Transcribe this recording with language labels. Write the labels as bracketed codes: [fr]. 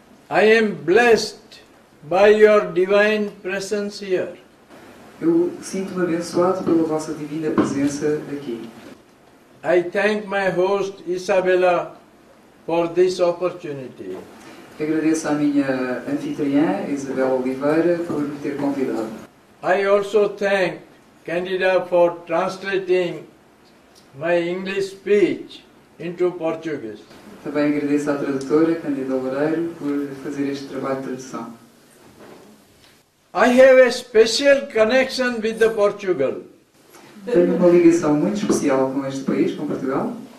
[en] I am blessed by your divine presence here. [pt] Eu sinto-me abençoado pela vossa divina presença aqui. [en] I thank my host Isabella for this opportunity. [pt] Agradeço à minha anfitriã, Isabel Oliveira, por me ter convidado. [en] I also thank Candida for translating my English speech into Portuguese. [pt] Também agradeço à tradutora, Candida Loureiro, por fazer este trabalho de tradução. [en] I have a special connection with the Portugal. [pt] Tenho uma ligação muito especial com este país, com Portugal.